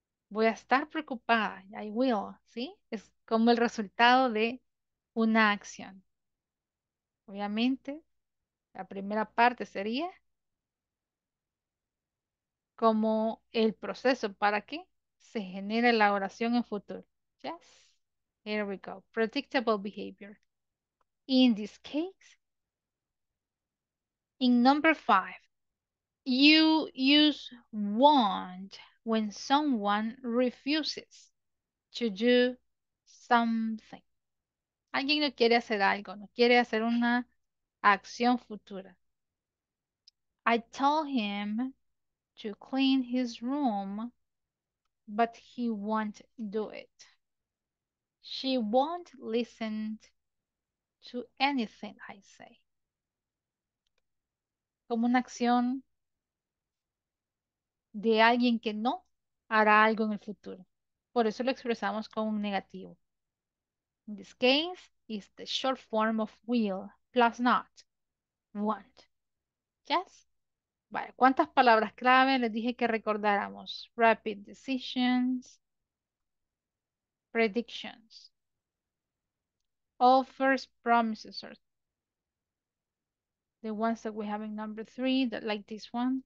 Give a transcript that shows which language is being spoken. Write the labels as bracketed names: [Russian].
[Spanish] Voy a estar preocupada. [English] I will, [Spanish] ¿sí? Es como el resultado de una acción. Obviamente, la primera parte sería como el proceso para que se genere la oración en futuro. [English] Yes, here we go. Predictable behavior. In this case, in number five, you use want when someone refuses to do something. [Spanish] Alguien no quiere hacer algo, no quiere hacer una acción futura. [English] I told him to clean his room, but he won't do it. She won't listen to anything I say. [Spanish] Como una acción de alguien que no hará algo en el futuro. Por eso lo expresamos con un negativo. [English] In this case, it's the short form of will plus not, won't. Yes? [Spanish] Vale, ¿cuántas palabras clave les dije que recordáramos? [English] Rapid decisions, predictions, offers, promises, or the ones that we have in number three, that like this one.